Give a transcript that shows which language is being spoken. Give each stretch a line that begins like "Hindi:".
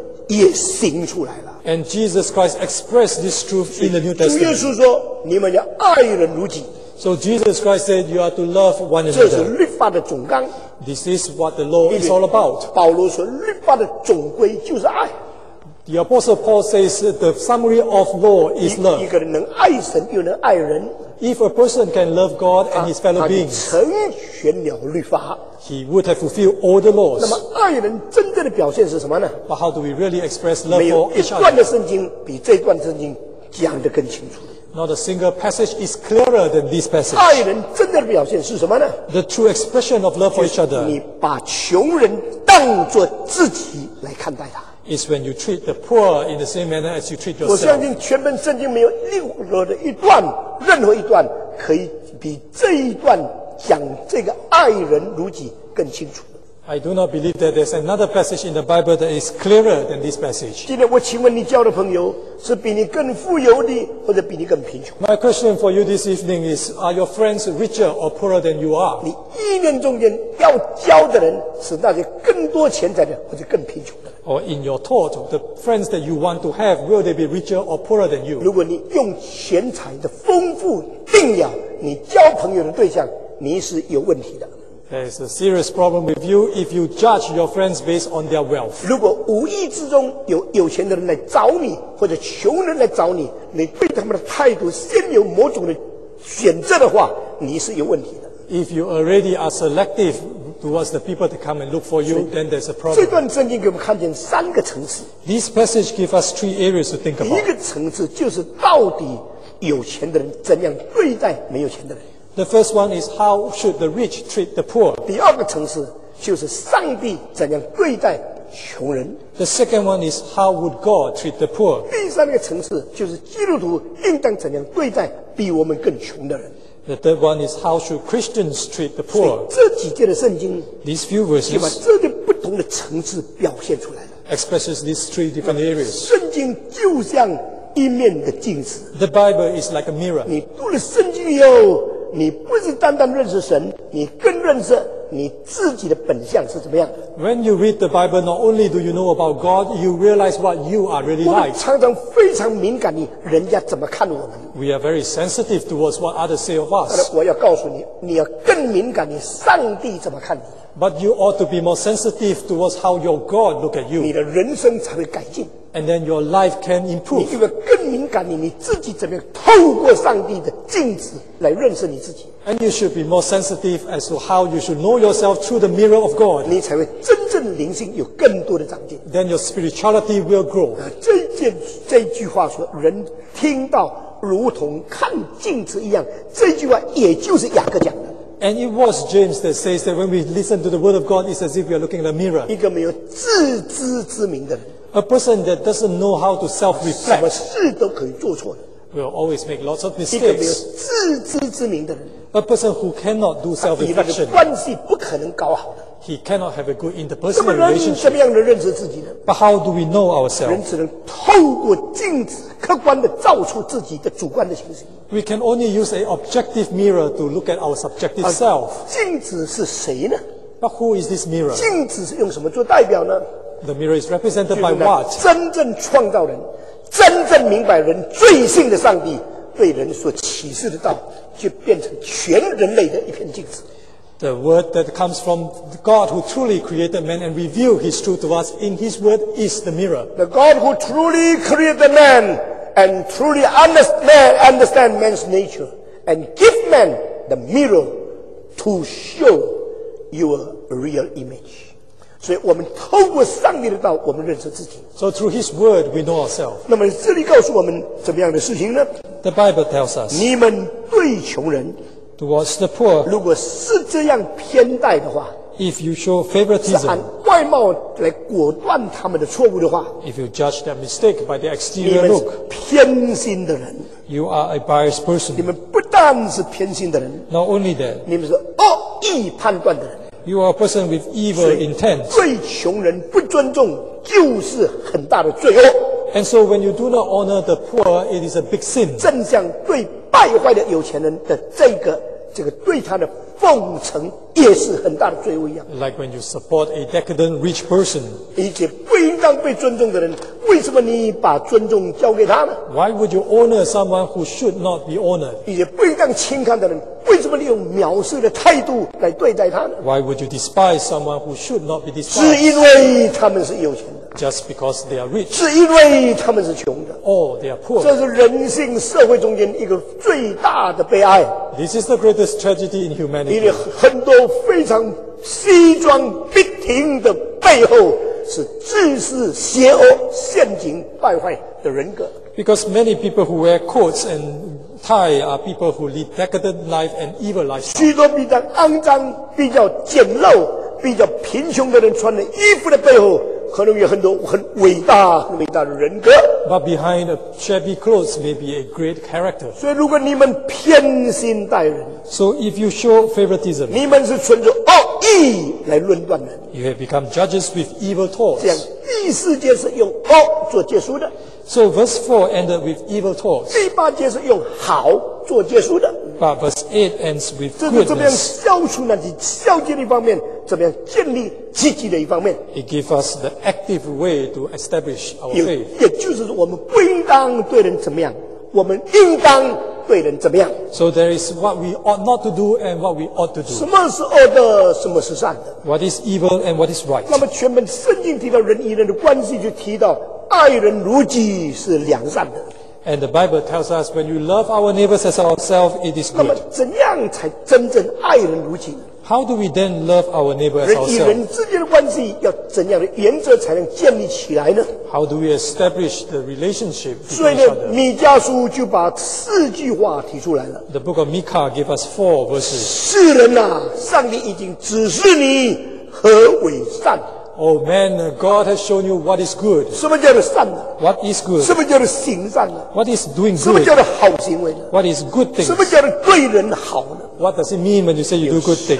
Chinese: 在新约里面，耶稣基督把这些的真理也行出来了。
English: And Jesus Christ expressed this truth in the New Testament.
Chinese: 主耶稣说，你们要爱人如己。
English: So Jesus Christ said, you are to love one another.
Chinese: 这是律法的总纲。
English: This is what the law is all about.
Chinese: 保罗说律法的总归就是爱。
English: The Apostle Paul says the summary of law is love.
Chinese: 一个人能爱神又能爱人。
English: If a person can love God and his fellow beings,
Chinese: 他就成全了律法。
English: He would have fulfilled all the laws.
Chinese: 那么爱人真正的表现是什么呢？
English: But how do we really express love for each other?
Chinese: 没有一段的圣经比这段圣经讲得更清楚。
English: Not a single passage is clearer than this passage.
Chinese: 爱人真正的表现是什么呢？
English: The true expression of love for each other.
Chinese: 你把穷人当作自己来看待他。
English: Is when you treat the poor in the same manner as you treat yourself.
Chinese: 我相信全本圣经没有任何一段可以比这一段讲这个爱人如己更清楚。
English: I do not believe that there's another passage in the Bible that is clearer than this passage.
Chinese: 今天我请问你交的朋友是比你更富有的，或者比你更贫穷？
English: My question for you this evening is: Are your friends richer or poorer than you are?
Chinese: 你意念中间要交的人是那些更多钱财的，或者更贫穷的？
English: Or in your thought, the friends that you want to have, will they be richer or poorer than you?
Chinese: 如果你用钱财的丰富定了你交朋友的对象，你是有问题的。
English: There is a serious problem with you if you judge your friends based on their wealth.
Chinese: 如果无意之中有钱的人来找你，或者穷人来找你，你对他们的态度先有某种的选择的话，你是有问题的。
English: If you already are selective towards the people that come and look for you, then there's a problem.
Chinese: 这段圣经给我们看见三个层次。
English: This passage gives us three areas to think about.
Chinese: 一个层次就是到底有钱的人怎样对待没有钱的人。
English: The first one is how should the rich treat the poor.
Chinese: 第二个层次就是上帝怎样对待穷人。
English: The second one is how would God treat the poor.
Chinese: 第三个层次就是基督徒应当怎样对待比我们更穷的人。
English: The third one is how should Christians treat the poor.
Chinese: 这几节的圣经
English: These few verses
Chinese: 把这些不同的层次表现出来了。
English: Expresses these three different areas.
Chinese: 圣经就像一面的镜子。
English: The Bible is like a mirror.
Chinese: 你读了圣经以后，你不是单单认识神，你更认识你自己的本相是怎么样。
English: When you read the Bible, not only do you know about God, you realize what you are really like.
Chinese: 我们常常非常敏感于人家怎么看我们。
English: We are very sensitive towards what others say of us.
Chinese: 我要告诉你，你要更敏感于上帝怎么看你。
English: But you ought to be more sensitive towards how your God look at you.
Chinese: 你的人生才会改进。
English: And then your life can improve.
Chinese: 你就会更敏感你自己怎么样透过上帝的镜子来认识你自己。
English: And you should be more sensitive as to how you should know yourself through the mirror of God.
Chinese: 你才会真正灵性有更多的长进。
English: Then your spirituality will grow.
Chinese: 这句话说，人听到如同看镜子一样，这句话也就是雅各讲的。
English: And it was James that says that when we listen to the word of God, it's as if we are looking in a mirror.
Chinese: 一个没有自知之明的人。
English: A person that doesn't know how to self-reflect,
Chinese: 什么事都可以做错的。
English: Will always make lots of mistakes.
Chinese: 一个没有自知之明的人。
English: A person who cannot do self-reflection.
Chinese: 他与人的关系不可能搞好的。
English: He cannot have a good interpersonal relationship.
Chinese: 怎么样的认识自己呢？
English: But how do we know ourselves?
Chinese: 人只能透过镜子客观地照出自己的主观的情形。
English: We can only use an objective mirror to look at our subjective self.
Chinese: 镜子是谁呢？
English: But who is this mirror?
Chinese: 镜子是用什么做代表呢？
English: The mirror is represented by what?
Chinese: 真正创造人，真正明白人罪性的上帝，对人所启示的道，就变成全人类的一片镜子。
English: The word that comes from God who truly created man and revealed his truth to us in his word is the mirror. The God who truly created man and truly understand man's nature and give man the mirror to show your real image.
Chinese: 所以我们透过上帝的道，我们认识自己。
English: So through His word, we know ourselves.
Chinese: 那么这里告诉我们怎么样的事情呢？
English: The Bible tells us.
Chinese: 你们对穷人
English: ，towards the poor，
Chinese: 如果是这样偏待的话
English: ，if you show favoritism，
Chinese: 是按外貌来果断他们的错误的话
English: ，if you judge their mistake by their exterior look，
Chinese: 你们是偏心的人
English: ，you are a biased person。
Chinese: 你们不但是偏心的人
English: ，not only that，
Chinese: 你们是恶意判断的人。
English: You are a person with evil intent.
Chinese: 对穷人不尊重就是很大的罪恶。
English: And so when you do not honor the poor, it is a big sin.
Chinese: 正像对败坏的有钱人的这个对他的奉承也是很大的罪恶一样。
English: Like when you support a decadent rich person.
Chinese: 以及不应当被尊重的人，为什么你把尊重交给他呢？
English: Why would you honor someone who should not be honored?
Chinese: 以及不应当轻看的人，为什么你用藐视的态度来对待他呢？
English: Why would you despise someone who should not be despised?
Chinese: 是因为他们是有钱的。
English: Just because they are rich.
Chinese: 是因为他们是穷的。
English: Oh, they are poor.
Chinese: 这是人性社会中间一个最大的悲哀。
English: This is the greatest tragedy in humanity.
Chinese: 因为很多非常西装笔挺的背后是自私、邪恶、陷阱、败坏的人格。
English: Because many people who wear coats and tie are people who lead decadent life and evil life.
Chinese: 许多比较肮脏、比较简陋、比较贫穷的人穿的衣服的背后可能有很多很伟大很伟大的人格。
English: But behind a shabby clothes may be a great character.
Chinese: 所以如果你们偏心待人，
English: So if you show favoritism,
Chinese: 你们是存着恶意来论断人。
English: You have become judges with evil thoughts.
Chinese: 这样第四节是用恶做结束的。
English: So verse 4 ended with evil thoughts.
Chinese: 第八节是用好做结束的。
English: But verse 8 ends with goodness.
Chinese: 这是这边消除那些消极的一方面，这边建立积极的一方面。
English: It gives us the active way to establish our faith.
Chinese: 也就是说，我们不应当对人怎么样，我们应当对人怎么样。
English: So there is what we ought not to do and what we ought to do.
Chinese: 什么是恶的，什么是善的？
English: What is evil and what is right?
Chinese: 那么全本圣经提到人与人的关系，就提到爱人如己是良善的。
English: And the Bible tells us when you love our neighbors as ourselves, it is good.
Chinese: 那么怎样才真正爱人如己？
English: How do we then love our neighbor as ourselves?
Chinese: 人与人之间的关系要怎样的原则才能建立起来呢？
English: How do we establish the relationship?
Chinese: 所以呢，米迦书就把四句话提出来了。
English: The book of Micah gives us four verses.
Chinese: 世人啊，上帝已经指示你何为善。
English: Oh man, God has shown you what is good.
Chinese: 什么叫做善呢？
English: What is good?
Chinese: 什么叫做行善呢？
English: What is doing good?
Chinese: 什么叫做好行为呢？
English: What is good things?
Chinese: 什么叫做对人好呢？
English: What does it mean when you say you do good things?